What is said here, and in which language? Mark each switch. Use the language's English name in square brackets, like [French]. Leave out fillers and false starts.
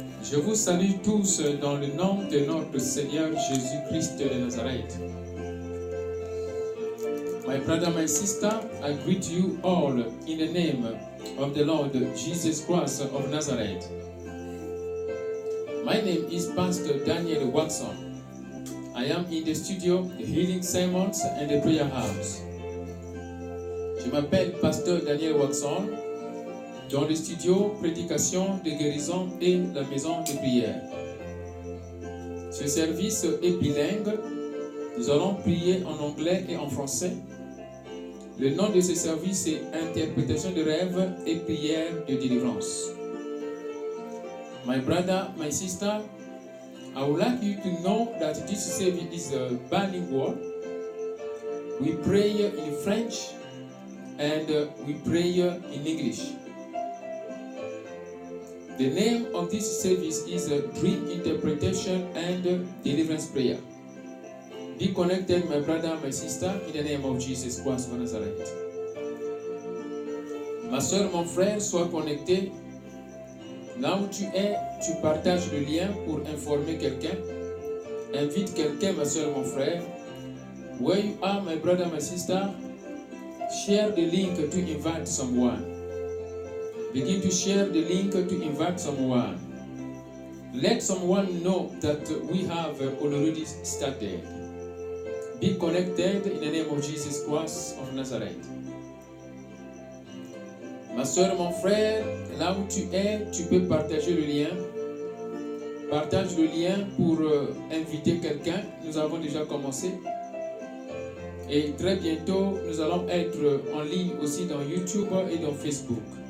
[French] Je vous salue tous dans le nom de notre Seigneur Jésus-Christ de Nazareth. [English] My brother, my sister, I greet you all in the name of the Lord Jesus Christ of Nazareth. My name is Pastor Daniel Watson. I am in the studio, the healing sermons and the prayer house. [French] Je m'appelle Pasteur Daniel Watson, dans le studio Prédication de guérison et la maison de prière. Ce service est bilingue, nous allons prier en anglais et en français. Le nom de ce service est Interprétation de rêve et prière de délivrance. [English] My brother, my sister, I would like you to know that this service is a bilingual. We pray in French and we pray in English. The name of this service is Dream Interpretation and Deliverance Prayer. Be connected, my brother, my sister, in the name of Jesus Christ of Nazareth. [French] Ma soeur, mon frère, sois connecté. Là où tu es, tu partages le lien pour informer quelqu'un. Invite quelqu'un, ma soeur, mon frère. [English] Where you are, my brother, my sister, share the link to invite someone. Begin to share the link to invite someone. Let someone know that we have already started. Be connected in the name of Jesus Christ of Nazareth. [French] Ma soeur, mon frère, là où tu es, tu peux partager le lien. Partage le lien pour inviter quelqu'un. Nous avons déjà commencé. Et très bientôt, nous allons être en ligne aussi dans YouTube et dans Facebook.